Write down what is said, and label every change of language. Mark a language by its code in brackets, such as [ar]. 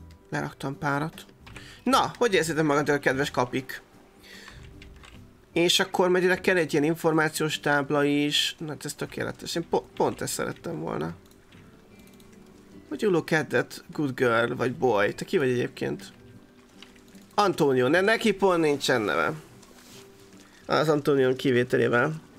[hu] Leraktam párat. Na, hogy érzitek magatok, a kedves kapik? És akkor majd ide kell egy ilyen információs tábla is. Na, ez tökéletes. Én pont ezt szerettem volna. [en] Would you look at that good girl, [hu] vagy [en] boy? [hu] Te ki vagy egyébként? Antonio, neki pont nincsen neve. Az Antonio kivételével.